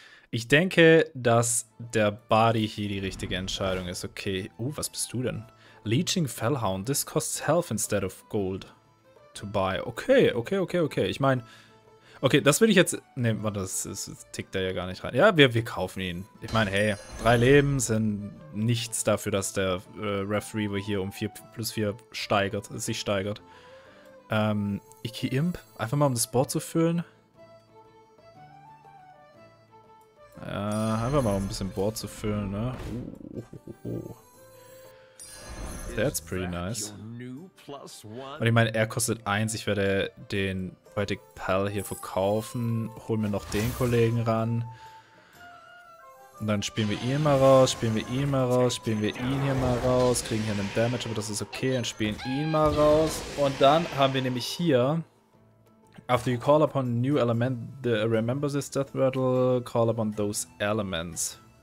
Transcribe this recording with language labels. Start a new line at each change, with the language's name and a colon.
German: Ich denke, dass der Body hier die richtige Entscheidung ist. Okay. Oh, was bist du denn? Leeching Fellhound.
English: This costs health instead of gold to buy.
German: Okay, okay, okay, okay. Ich meine, okay, das würde ich jetzt... Ne, warte, das tickt da ja gar nicht rein. Ja, wir kaufen ihn. Ich meine, hey, 3 Leben sind nichts dafür, dass der Referee hier um 4+4 steigert, sich steigert. Iki Imp. Einfach mal, um das Board zu füllen. Einfach mal, um ein bisschen Board zu füllen, ne?
English: That's pretty nice.
German: Und ich meine, er kostet 1. Ich werde den Poetic Pal hier verkaufen. Hol mir noch den Kollegen ran. Und dann spielen wir ihn mal raus, spielen wir ihn mal raus, spielen wir ihn hier mal raus. Kriegen hier einen Damage, aber das ist okay. Und spielen ihn mal raus. Und dann haben wir nämlich hier...
English: After you call upon a new element, remember this death rattle, call upon those elements.